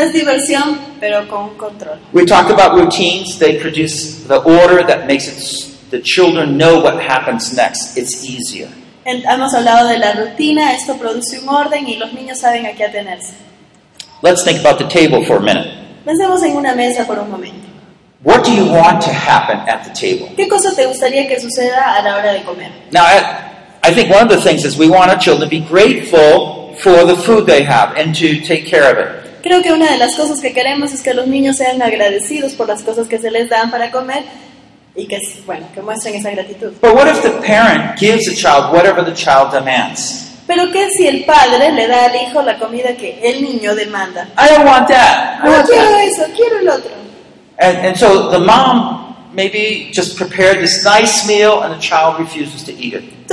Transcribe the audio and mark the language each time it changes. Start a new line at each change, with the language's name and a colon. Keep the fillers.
Spanish: es diversión, pero con control.
English: We talk about routines. They produce the order that makes it the children know what happens next. It's easier.
Spanish: Hemos hablado de la rutina. Esto produce un orden y los niños saben a qué atenerse.
English: Let's think about the table for a minute.
Spanish: Pensemos en una mesa por un momento.
English: What do you want to happen at the table?
Spanish: ¿Qué cosa te gustaría que suceda a la hora de comer?
English: Now, at, I think one of the things is we want our children to be grateful for the food they have and to take care of it.
Spanish: Creo que una de las cosas que queremos es que los niños sean agradecidos por las cosas que se les dan para comer y que bueno, que muestren esa gratitud.
English: But what if the parent gives the child whatever the child demands?
Spanish: Pero qué si el padre le da al hijo la comida que el niño demanda?
English: I don't want that. I don't
Spanish: no quiero
English: that.
Spanish: eso, quiero el otro.
English: and, and so the mom maybe just prepare this nice meal and the child refuses to eat it.